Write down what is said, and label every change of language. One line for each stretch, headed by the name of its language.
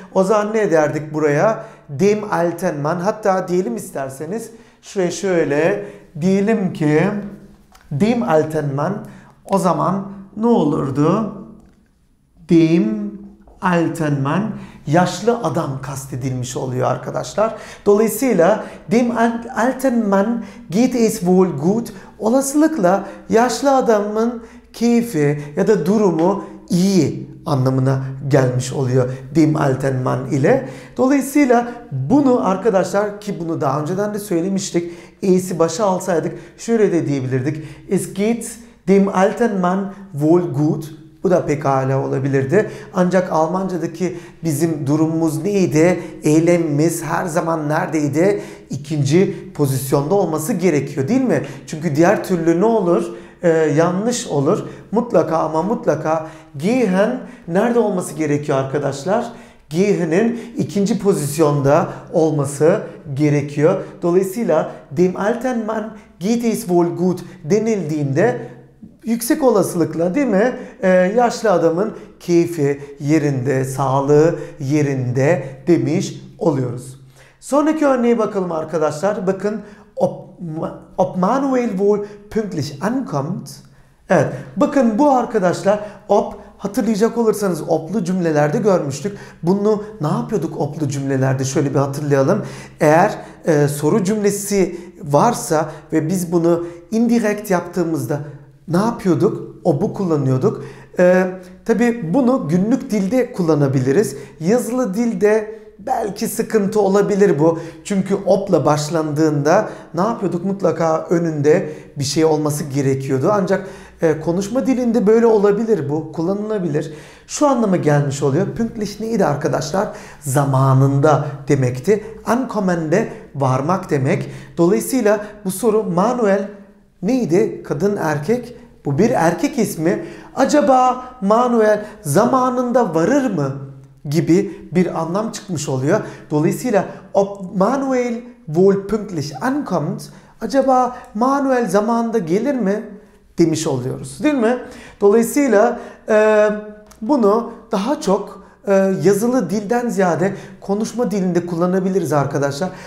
Turkish: O zaman ne derdik buraya?
German: Dem alten man.
Turkish: Hatta diyelim isterseniz şuraya şöyle diyelim ki
German: dem alten man.
Turkish: O zaman ne olurdu?
German: Dem alten man.
Turkish: Yaşlı adam kastedilmiş oluyor arkadaşlar. Dolayısıyla
German: dem alten man geht es wohl gut.
Turkish: Olasılıkla yaşlı adamın keyfi ya da durumu iyi anlamına gelmiş oluyor
German: dem alten man
Turkish: ile. Dolayısıyla bunu arkadaşlar ki bunu daha önceden de söylemiştik. E'si başa alsaydık şöyle de diyebilirdik.
German: Es geht dem alten man wohl gut.
Turkish: Bu da pekala olabilirdi. Ancak Almanca'daki bizim durumumuz neydi? Eylemimiz her zaman neredeydi? İkinci pozisyonda olması gerekiyor değil mi? Çünkü diğer türlü ne olur? Yanlış olur. Mutlaka ama mutlaka gehen nerede olması gerekiyor arkadaşlar? Gehen'in ikinci pozisyonda olması gerekiyor. Dolayısıyla
German: dem alten man geht es wohl gut
Turkish: denildiğinde yüksek olasılıkla değil mi? Yaşlı adamın keyfi yerinde, sağlığı yerinde demiş oluyoruz. Sonraki örneğe bakalım arkadaşlar. Bakın
German: ob Manuel wohl pünktlich ankommt.
Turkish: Evet, bakın bu arkadaşlar ob hatırlayacak olursanız oblu cümlelerde görmüştük. Bunu ne yapıyorduk oblu cümlelerde? Şöyle bir hatırlayalım. Eğer soru cümlesi varsa ve biz bunu indirect yaptığımızda ne yapıyorduk? Ob'u kullanıyorduk. Tabii bunu günlük dilde kullanabiliriz. Yazılı dilde belki sıkıntı olabilir bu. Çünkü ob'la başlandığında ne yapıyorduk? Mutlaka önünde bir şey olması gerekiyordu. Ancak konuşma dilinde böyle olabilir bu. Kullanılabilir. Şu anlama gelmiş oluyor. Pünktlich neydi arkadaşlar? Zamanında demekti. Ankommen de varmak demek. Dolayısıyla bu soru Manuel neydi? Kadın, erkek. Bu bir erkek ismi. Acaba Manuel zamanında varır mı? Gibi bir anlam çıkmış oluyor. Dolayısıyla
German: ob Manuel wohl pünktlich ankommt.
Turkish: Acaba Manuel zamanında gelir mi? Demiş oluyoruz. Değil mi? Dolayısıyla bunu daha çok yazılı dilden ziyade konuşma dilinde kullanabiliriz arkadaşlar.